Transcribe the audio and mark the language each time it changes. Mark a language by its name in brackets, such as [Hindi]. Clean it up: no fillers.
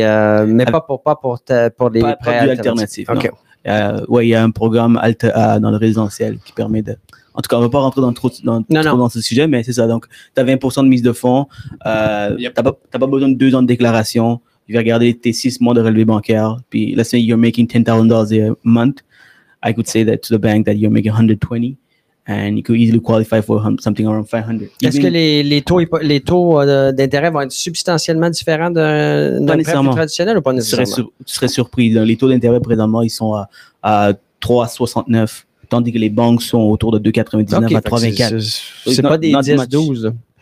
[French] Pas pour les prêts. Pas alternatives. OK. Oui, il y a un programme dans le résidentiel qui permet de... En tout cas, on ne va pas rentrer dans ce sujet, mais c'est ça. Donc, tu as 20% de mise de fonds. Tu n'as pas besoin de 2 ans de déclaration. Tu vas regarder tes 6 mois de relevé bancaire. [English] Puis, let's say you're making $10,000 a month. I could say that to the bank that you're making $120,000 and you could easily qualify for something around $500,000. [French] Est-ce que les taux d'intérêt vont être substantiellement différents d'un prêt traditionnel ou pas nécessairement? Tu serais surpris. Les taux d'intérêt, présentement, ils sont à 3,69, tandis que les banques sont autour de 2,99 à 3,24. Ce n'est pas des 10-12.